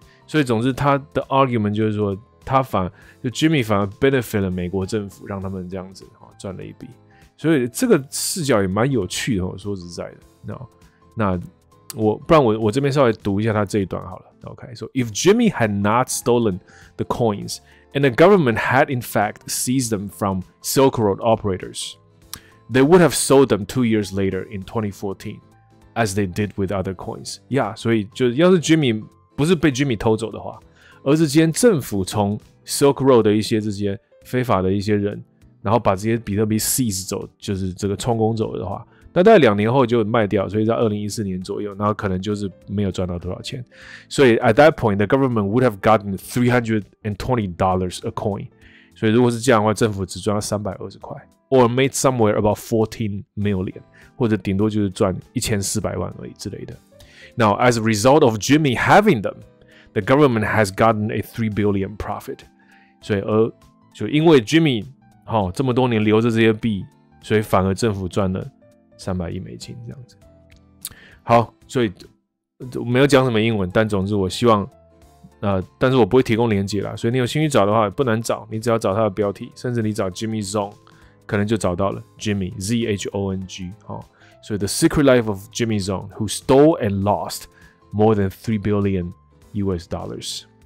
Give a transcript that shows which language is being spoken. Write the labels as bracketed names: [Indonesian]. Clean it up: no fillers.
[Chinese] 所以总之，他的 argument 就是说，就 Jimmy 反而 benefit 了美国政府，让他们这样子赚了一笔。所以这个视角也蛮有趣的，说实在的，那我不然我这边稍微读一下他这一段好了。 [English] OK， 说、so、If Jimmy had not stolen the coins。 And the government had in fact seized them from Silk Road operators. They would have sold them 2 years later in 2014, as they did with other coins. [Chinese] Yeah, 所以就要是 Jimmy 不是被 Jimmy 偷走的话，而是今天政府从 Silk Road 的一些这些非法的一些人，然后把这些比特币 seize 走，就是这个充公走的话，那大概两年后就卖掉，所以在2014年左右，然后可能就是没有赚到多少钱。 [English] 所以 at that point, the government would have gotten $320 a coin. [Chinese] 所以如果是这样的话，政府只赚了320块 [English] or made somewhere about $14 million, [Chinese] 或者顶多就是赚1400万而已之类的。 [English] Now, as a result of Jimmy having them, the government has gotten a $3 billion profit. [Chinese] 所以就因为 Jimmy 好这么多年留着这些币，所以反而政府赚了300亿美金这样子。好，所以我没有讲什么英文，但总之我希望但是我不会提供连结啦，所以你有兴趣找的话不难找，你只要找他的标题，甚至你找 Jimmy Zhang 可能就找到了 Jimmy Zhong、哦、所以 The Secret Life of Jimmy Zhang Who Stole and Lost More than $3 billion US.